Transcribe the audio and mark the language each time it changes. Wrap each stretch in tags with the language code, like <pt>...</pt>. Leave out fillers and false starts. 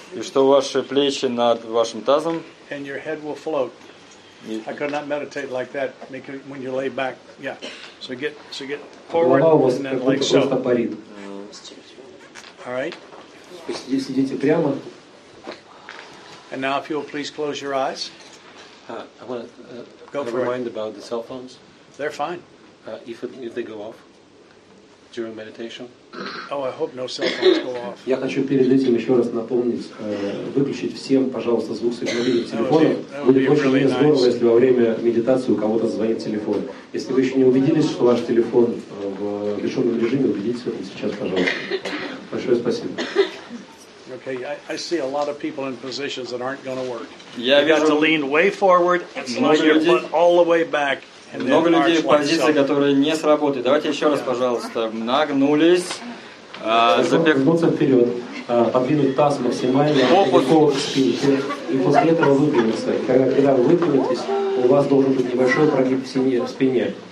<ru>И что ваши плечи над вашим тазом.</ru> <en>And your head will float. I could not meditate like that when you lay back. Yeah. So get forward and then like so. All right.</en> <ru>Сидите прямо.</ru> <en>And now, if you'll please close your eyes. I want to go for remind it. About the cell phones. They're fine. If they go off during meditation. Oh, I hope no cell phones go off.</en> <ru>Я хочу перед этим еще раз напомнить выключить всем, пожалуйста, звук сигнализации телефона. Будет очень здорово, если во время медитации у кого-то звонит телефон. Если вы еще не убедились, что ваш телефон в бесшумном режиме, убедитесь в этом сейчас, пожалуйста. Большое спасибо.</ru> <en>Okay, I see a lot of people in positions that aren't going to work. You've got to lean way forward and slide your foot all the way back.</en> <ru>Много людей в позиции, которые не сработают. Давайте еще раз, пожалуйста, нагнулись. Запихнуться вперед, подвинуть таз максимально, легко к спинке, и после этого выпрямиться. Когда вы выпрямитесь, у вас должен быть небольшой прогиб в спине.</ru>